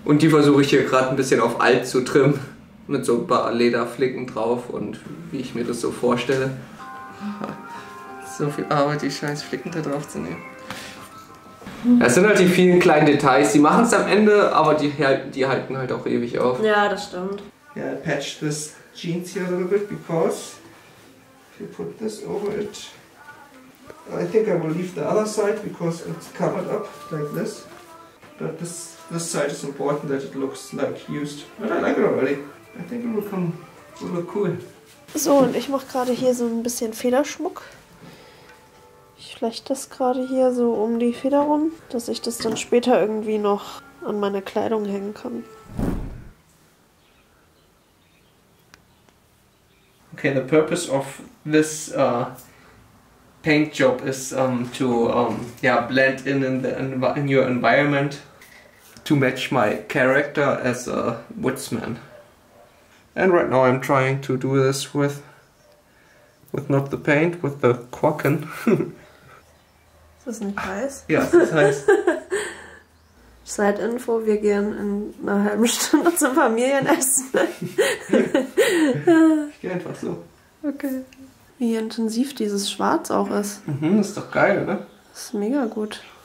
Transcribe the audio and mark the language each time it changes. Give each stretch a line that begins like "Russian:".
German: Und die versuche ich hier gerade ein bisschen auf alt zu trimmen. Mit so ein paar Lederflicken drauf und wie ich mir das so vorstelle. So viel Arbeit, die scheiß Flicken da drauf zu nehmen. Das sind halt die vielen kleinen Details. Die machen es am Ende, aber die halten halt auch ewig auf. Ja, das stimmt.
English: Yeah, I patch this jeans here a little bit because if you put this over it, I think I will leave the other side because it's covered up like this. But this side is important that it looks like used. But I like it already. I think it will come, will look cool.
German: So, und ich mache gerade hier so ein bisschen Federschmuck. Ich flechte das gerade hier so um die Feder rum, dass ich das dann später irgendwie noch an meine Kleidung hängen kann.
English: Okay, the purpose of this paint job is to yeah, blend in your environment to match my character as a woodsman. And right now I'm trying to do this with not the paint, with the Quacken.
German: Ist das nicht heiß? Ja, es ist heiß. Side Info, wir gehen in einer halben Stunde zum Familienessen. Ich gehe einfach so. Okay. Wie intensiv dieses Schwarz auch ist. Mhm, ist doch geil, oder? Ist mega gut.